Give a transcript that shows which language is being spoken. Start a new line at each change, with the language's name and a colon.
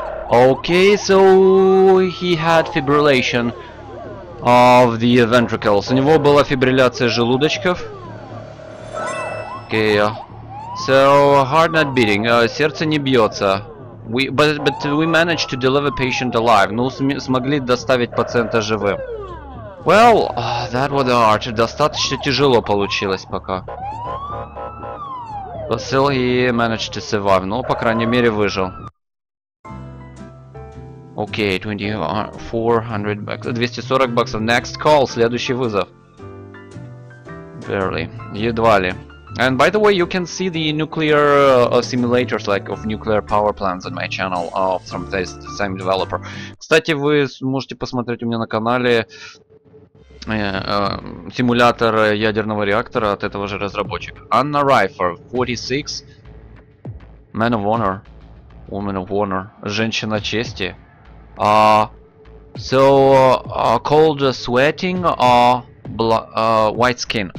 English: Окей, so he had fibrillation of the ventricles.
Russian: У него была фибрилляция желудочков.
English: Окей. So heart not beating.
Russian: Сердце не бьется.
English: But we managed to deliver patient alive.
Russian: Ну, смогли доставить пациента живым.
English: Well, that was the heart.
Russian: Достаточно тяжело получилось пока.
English: But still he managed to survive.
Russian: Ну, по крайней мере, выжил. Окей, 2400 баксов. 240 баксов.
English: Next call.
Russian: Следующий вызов.
English: Barely.
Russian: Едва ли.
English: And by the way, you can see the nuclear simulators, like, of nuclear power plants on my channel from this same developer.
Russian: Кстати, вы можете посмотреть у меня на канале симулятор ядерного реактора от этого же разработчика.
English: Anna Reifer, 46. Man of honor. Woman of honor.
Russian: Женщина чести.
English: Cold sweating, white skin.